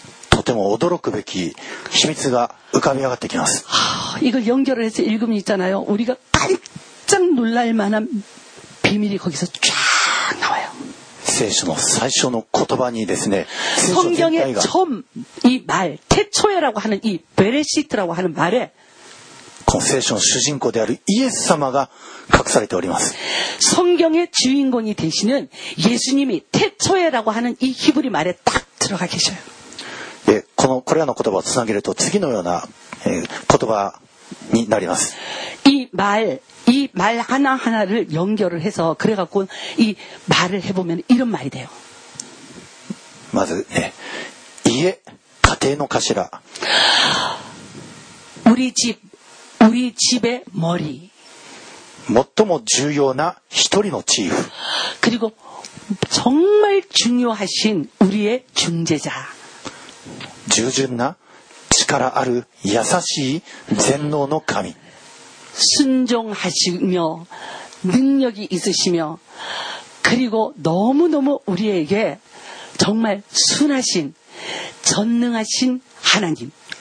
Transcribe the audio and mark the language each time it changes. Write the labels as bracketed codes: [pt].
[ja] とても驚くべき秘密が浮かび上がってきます。 [ko] 이걸연결을해서읽으면있잖아요우리가깜짝놀랄만한비밀이거기서쫙나와요 [ja] 聖書の最初の言葉にですね [ko] 성경의처음이말태초에라고하는이베레시트라고하는말에 [ja] この聖書の主人公であるイエス様が隠されております。 [ko] 성경의주인공이되시는예수님이태초에라고하는이히브리말에딱들어가계셔요。 [ja] でこのこれらの言葉をつなげると次のような、言葉になります。 [ko] 이말이말하나하나를연결을해서그래갖고이말을해보면이런말이돼요。 [ja] まず、ね、家家庭の頭 [ko] 우리집우리집의머리 [ja] 最も重要な一人のチーフ [ko] 그리고정말중요하신우리의중재자 [ja] 従順な力ある優しい全能の神 [ko] 순종하시며능력이있으시며그리고너무너무우리에게정말순하신전능하신하나님